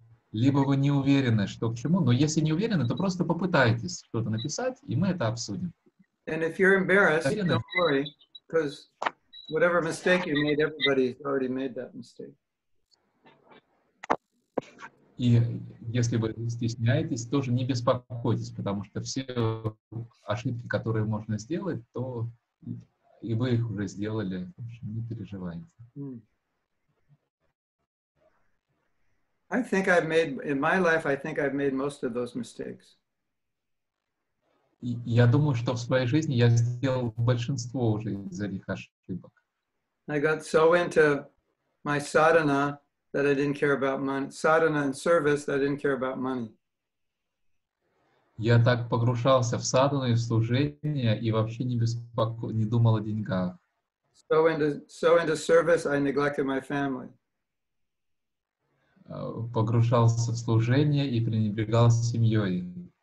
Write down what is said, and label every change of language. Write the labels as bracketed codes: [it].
[ru] Либо вы не уверены, что к чему, но если не уверены, то просто попытайтесь что-то написать, и мы это обсудим. [en] And if you're embarrassed, don't worry, because whatever mistake you made, everybody's already made that mistake. [ru] И если вы стесняетесь, тоже не беспокойтесь, потому что все ошибки, которые можно сделать, то и вы их уже сделали, в общем, не переживайте. [en] I think I've made, in my life, I think I've made most of those mistakes. [ru] Я думаю, что в своей жизни я сделал большинство уже из этих ошибок. [en] I got so into my sadhana that I didn't care about money. Sadhana and service that I didn't care about money. [ru] Я так погружался в садхану и в служение и вообще не думал о деньгах. [en] So into service, I neglected my family. [ru] Погружался в служение и пренебрегал семьей.